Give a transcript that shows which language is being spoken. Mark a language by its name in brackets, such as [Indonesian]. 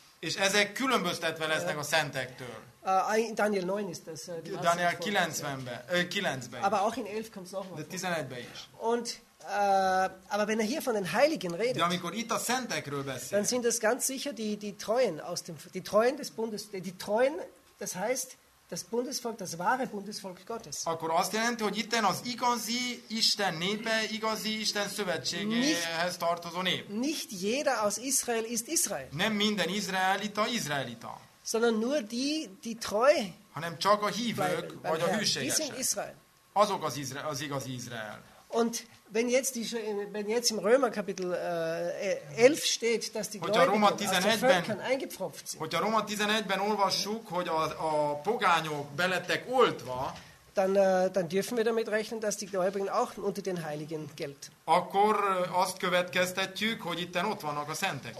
[Hungarian] És ezek különböztetve lesznek a szentektől. [German] Daniel 9 ist das. [Hungarian] Daniel 9-ben. [German] Aber auch in 11 kommt es auch noch. [Hungarian] 11-ben is. [German] Und aber wenn er hier von den Heiligen redet, [Hungarian] de amikor itt a szentekről beszél, [German] dann sind das ganz sicher die Treuen aus dem, die Treuen des Bundes, die Treuen, das heißt das Bundesvolk, das wahre Bundesvolk Gottes. [Hungarian] Akkor azt jelenti, hogy itten az igazi Isten népe, igazi Isten szövetségéhez tartozó nép. [German] Nicht jeder aus Israel ist Israel. [Hungarian] Nem minden izraelita, izraelita. [German] Sondern nur die treu. [Hungarian] Hanem csak a hívők, vagy a hűségesek. [German] Die sind Israel. [Hungarian] Azok az igazi Izrael. [German] Und wenn jetzt im Römer Kapitel 11 steht, dass die Gläubigen aus den Völkern sind. [Hungarian] Hogyha Róma 11-ben olvassuk, hogy a pogányok belettek oltva, [German] dann dürfen wir damit rechnen, dass die Gläubigen auch unter den Heiligen gelten. [Hungarian] Akkor azt következtetjük, hogy itten ott vannak a szentek.